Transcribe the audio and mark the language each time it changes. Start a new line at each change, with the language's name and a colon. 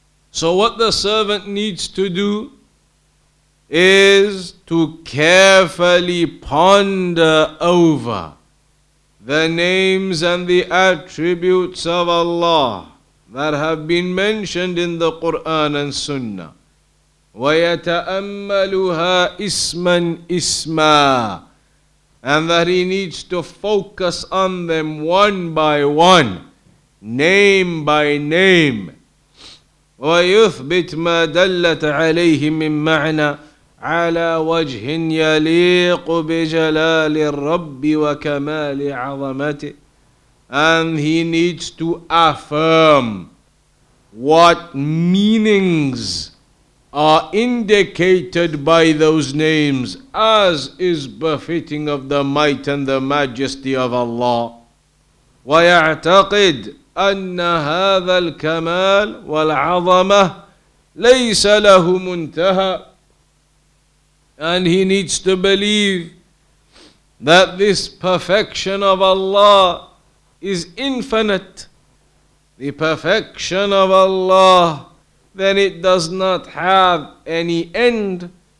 English: So what the servant needs to do is to carefully ponder over the names and the attributes of Allah that have been mentioned in the Quran and Sunnah.
Arabic: وَيَتَأَمَّلُهَا إِسْمًا إِسْمًا.
English: And that he needs to focus on them one by one, name by name.
Arabic: ويثبت ما دلت عليه من معنى على وجه يليق بجلال الرب وكمال عظمته.
English: And he needs to affirm what meanings are indicated by those names, as is befitting of the might and the majesty of Allah.
Arabic: ويعتقد أن هذا الكمال والعظمة ليس له منتهى.
English: And he needs to believe that this perfection of Allah is infinite. The perfection of Allah, then it does not have any end.